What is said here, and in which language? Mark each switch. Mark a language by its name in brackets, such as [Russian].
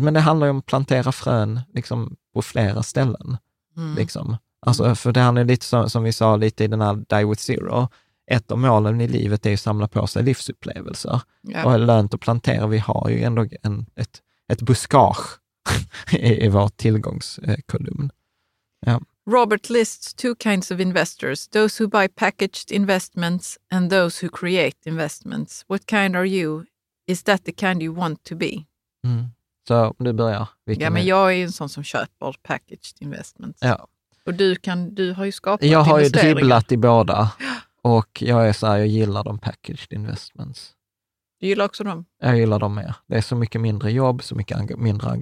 [Swedish] Men det handlar ju om att plantera frön liksom på flera ställen. Mm. Liksom. Alltså, för det handlar ju lite som vi sa lite i den här Die with Zero. Ett av målen i livet är att samla på sig livsupplevelser. Ja. Och lönt att plantera. Vi har ju ändå ett buskage i vår tillgångskolumn. Ja. [English] Robert lists two kinds of investors, those who buy packaged investments and those who create investments. What kind are you? Is that the kind you want to be? [Swedish] Mm. Så nu börjar jag. Ja, men jag är ju en sån som köper [English] packaged investments. [Swedish] Ja. Och du har ju skapat investeringar. Jag har ju dribblat i båda. Och jag är så här, jag gillar de [English] packaged investments. [Swedish] Du gillar också dem? Jag gillar dem mer. Det är så mycket mindre jobb, så mycket mindre engagemang.